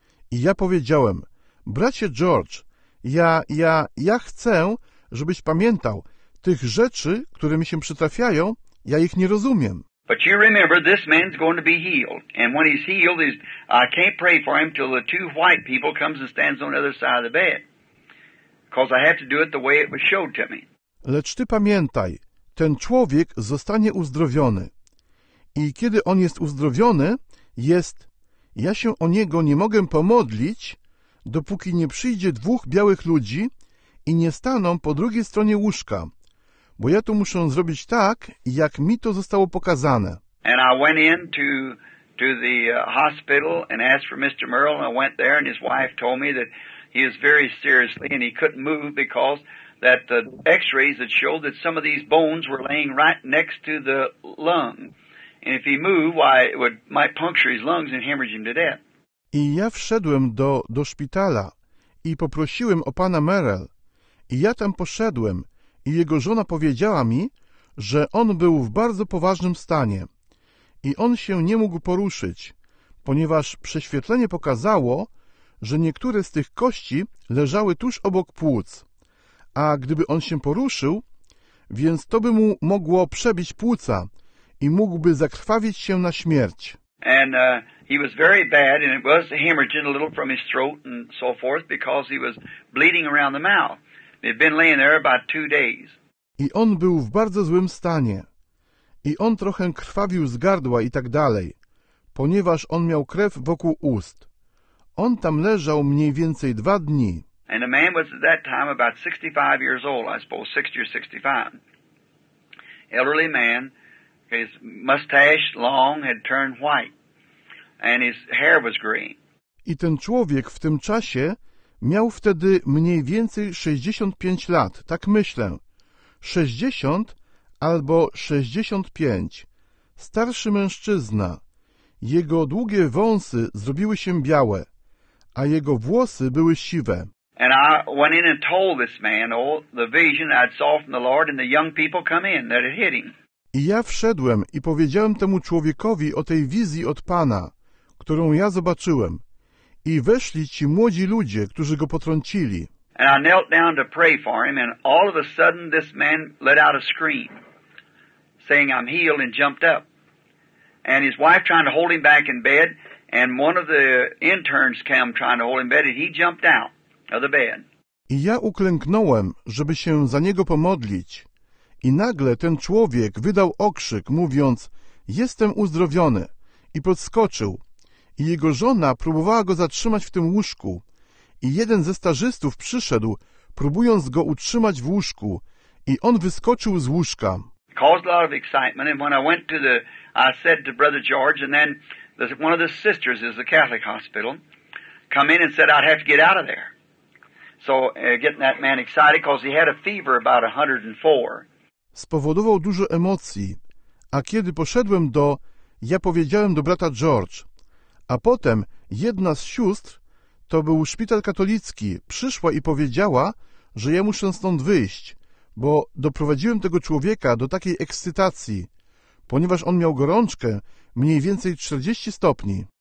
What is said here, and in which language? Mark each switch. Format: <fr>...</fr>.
<pl>I ja powiedziałem, bracie George, ja chcę, żebyś pamiętał, tych rzeczy, które mi się przytrafiają, ja ich nie rozumiem.</pl> <en>But you remember this man's going to be healed. And when he's healed, I can't pray for him till the two white people comes and stands on the other side of the bed. Because I have to do it the way it was showed to me.</en> <pl>Lecz ty pamiętaj, ten człowiek zostanie uzdrowiony. I kiedy on jest uzdrowiony, ja się o niego nie mogę pomodlić, dopóki nie przyjdzie dwóch białych ludzi i nie staną po drugiej stronie łóżka. Bo ja to muszę zrobić tak, jak mi to zostało pokazane.</pl> <en>And I went in to the hospital and asked for Mr. Merle, and I went there and his wife told me that he is very seriously and he couldn't move because that the x-rays that showed that some of these bones were laying right next to the lung. And if he moved, it might puncture his lungs and hemorrhage him to death.</en> <pl>I ja wszedłem do szpitala i poprosiłem o pana Merrell. I ja tam poszedłem i jego żona powiedziała mi, że on był w bardzo poważnym stanie. I on się nie mógł poruszyć, ponieważ prześwietlenie pokazało, że niektóre z tych kości leżały tuż obok płuc. A gdyby on się poruszył, więc to by mu mogło przebić płuca i mógłby zakrwawić się na śmierć.</pl> <en>And he was very bad, and it was hemorrhaging a little from his throat and so forth, because he was bleeding around the mouth. He'd been laying there about 2 days.</en> <pl>I on był w bardzo złym stanie. I on trochę krwawił z gardła i tak dalej, ponieważ on miał krew wokół ust. On tam leżał mniej więcej 2 dni.</pl> <en>And the man was at that time about 65 years old, I suppose, 60 or 65. Elderly man, his mustache long had turned white, and his hair was green.</en> <pl>I ten człowiek w tym czasie miał wtedy mniej więcej 65 lat, tak myślę. 60 albo 65. starszy mężczyzna. Jego długie wąsy zrobiły się białe, a jego włosy były siwe.</pl> <en>And I went in and told this man the vision I saw from the Lord, and the young people come in that had hit him.</en> <pl>I ja wszedłem i powiedziałem temu człowiekowi o tej wizji od Pana, którą ja zobaczyłem. I weszli ci młodzi ludzie, którzy go potrącili.</pl> <en>And I knelt down to pray for him, and all of a sudden this man let out a scream, saying, I'm healed, and jumped up. And his wife trying to hold him back in bed, and one of the interns came trying to hold him back, and he jumped out of the bed.</en> <pl>I ja uklęknąłem, żeby się za niego pomodlić. I nagle ten człowiek wydał okrzyk, mówiąc, jestem uzdrowiony, i podskoczył. I jego żona próbowała go zatrzymać w tym łóżku. I jeden ze stażystów przyszedł, próbując go utrzymać w łóżku. I on wyskoczył z łóżka.</pl> <en>Caused a lot of excitement, and when I went to the, I said to Brother George, and then one of the sisters is the Catholic hospital, come in and said I'd have to get out of there. So getting that man excited, because he had a fever about 104.</en> <pl>Spowodował dużo emocji, a kiedy poszedłem do, ja powiedziałem do brata George, a potem jedna z sióstr, to był szpital katolicki, przyszła i powiedziała, że ja muszę stąd wyjść, bo doprowadziłem tego człowieka do takiej ekscytacji, ponieważ on miał gorączkę mniej więcej 40 stopni.</pl>